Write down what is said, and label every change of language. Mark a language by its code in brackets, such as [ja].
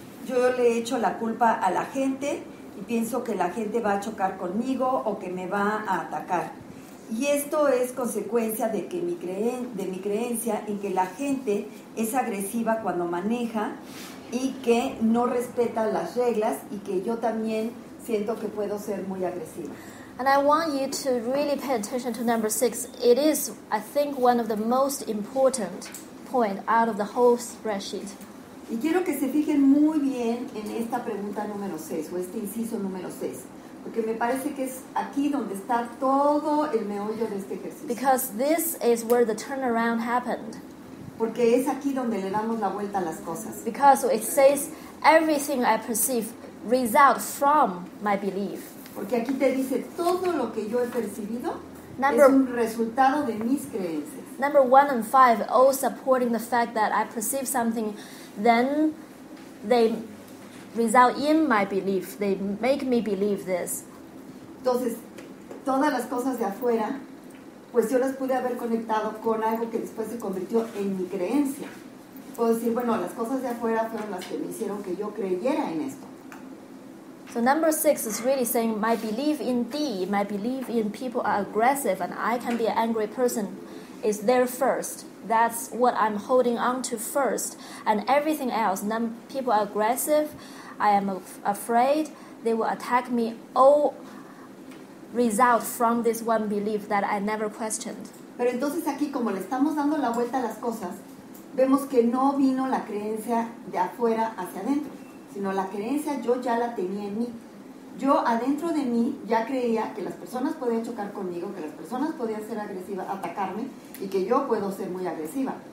[es] Yo le echo la culpa a la gente y pienso que la gente va a chocar conmigo o que me va a atacar. Y esto es consecuencia de que mi creencia en que la gente es agresiva cuando maneja y que no respeta las reglas y que yo también siento que puedo ser muy agresiva. [en] And I want you to really pay attention to number six. It is, I think, one of the most important points out of the whole spreadsheet. [es] Y quiero que se fijen muy bien en esta pregunta número seis, o este inciso número seis, porque me parece que es aquí donde está todo el meollo de este ejercicio. [en] Because this is where the turnaround happened. [es] Porque es aquí donde le damos la vuelta a las cosas. [en] Because it says everything I perceive results from my belief. [es] Porque aquí te dice todo lo que yo he percibido es un resultado de mis creencias. [en] Number one and five all supporting the fact that I perceive something, then they result in my belief. They make me believe this. [es] Entonces, todas las cosas de afuera, pues yo las pude haber conectado con algo que después se convirtió en mi creencia. Puedo decir, bueno, las cosas de afuera fueron las que me hicieron que yo creyera en esto. [en] So number six is really saying my belief in people are aggressive and I can be an angry person is there first. That's what I'm holding on to first. And everything else, people are aggressive, I am afraid, they will attack me, all result from this one belief that I never questioned. [es] Pero entonces aquí, como le estamos dando la vuelta a las cosas, vemos que no vino la creencia de afuera hacia adentro, sino la creencia yo ya la tenía en mí. Yo adentro de mí ya creía que las personas podían chocar conmigo, que las personas podían ser agresivas, atacarme, y que yo puedo ser muy agresiva.